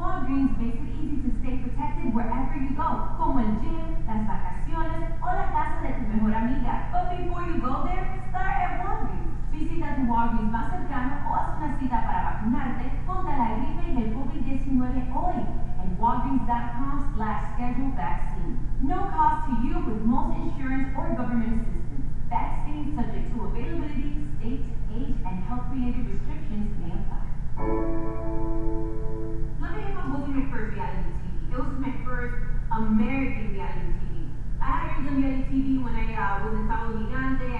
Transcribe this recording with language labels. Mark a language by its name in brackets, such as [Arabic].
[English] dreams makes it easy to stay protected wherever you go, [Spanish] como el gym, las vacaciones, o la casa de tu mejor amiga. [English] But before you go there, start at Walgreens. [Spanish] Visita tu Walgreens más cercano o haz una cita para vacunarte contra la gripe y el COVID-19 hoy en walgreens.com/schedulevaccine. [English] No cost to you with most insurance or government assistance. Vaccine subject to availability, state, age, and health-related restrictions may apply. My first reality TV. It was my first American reality TV. I had Arizona reality TV when I was in Sao Gigante.